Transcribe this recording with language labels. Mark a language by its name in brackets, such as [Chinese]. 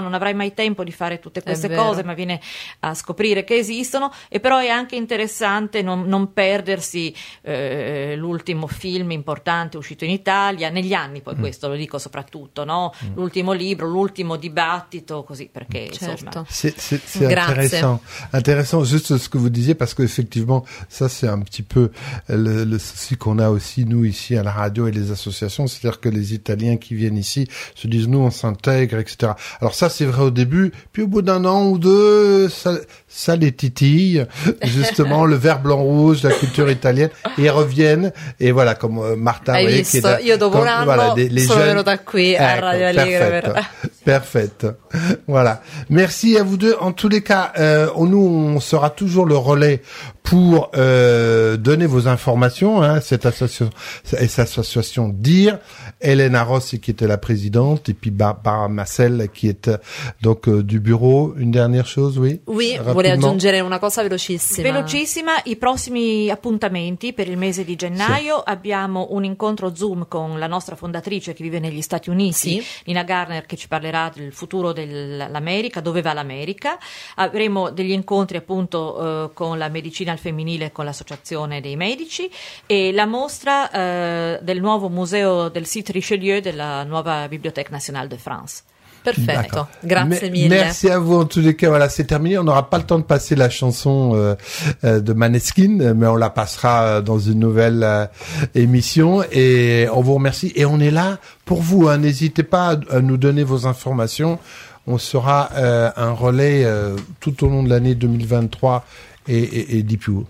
[Italian] Non avrai mai tempo di fare tutte queste cose, ma viene a scoprire che esistono. E però è anche interessante non perdersi l'ultimo film importante uscito in Italia negli anni, poi questo lo dico soprattutto, no? L'ultimo libro, l'ultimo dibattito, così, perché [French] c'est intéressant juste ce que vous disiez, parce que effectivement ça c'est un petit peu le souci qu'on a aussi nous ici à la radio et les associations, c'est-à-dire que les Italiens qui viennent ici, se disent nous on s'intègre, etc. Alors ça c'est vrai au début, puis au bout d'un an ou deux, ça les titille, justement le vert blanc rouge, la culture italienne, et ils reviennent, et voilà, comme Martha, vous voyez, qui est là. [Italian] Io dopo l'anno [French] voilà, les jeunes, [Italian] sono venuto qui à Radio Aligre. [English] Perfect. [French] Voilà. Merci à vous deux. En tous les cas, nous, on sera toujours le relais pour donner vos informations, hein, cette association, et cette association DIR. Elena Rossi, qui était la présidente, et puis Barbara Massel, qui est donc du bureau. Une dernière chose, oui? Oui, voulais [Italian] aggiungere una cosa velocissima. Velocissima. I prossimi appuntamenti per il mese di gennaio. Sì. Abbiamo un incontro Zoom con la nostra fondatrice che vive negli Stati Uniti, sì. Nina Garner, che ci parlerà del futuro dell'America, dove va l'America. Avremo degli incontri appunto con la medicina al femminile, con l'associazione dei medici, e la mostra del nuovo museo del site Richelieu della nuova Bibliothèque Nationale de France. Perfetto, grazie mille. [French] Merci à vous en tous les cas. Voilà, c'est terminé. On n'aura pas le temps de passer la chanson de Maneskin, mais on la passera dans une nouvelle émission. Et on vous remercie. Et on est là pour vous. Hein. N'hésitez pas à nous donner vos informations. On sera un relais tout au long de l'année 2023 et [Italian] di più.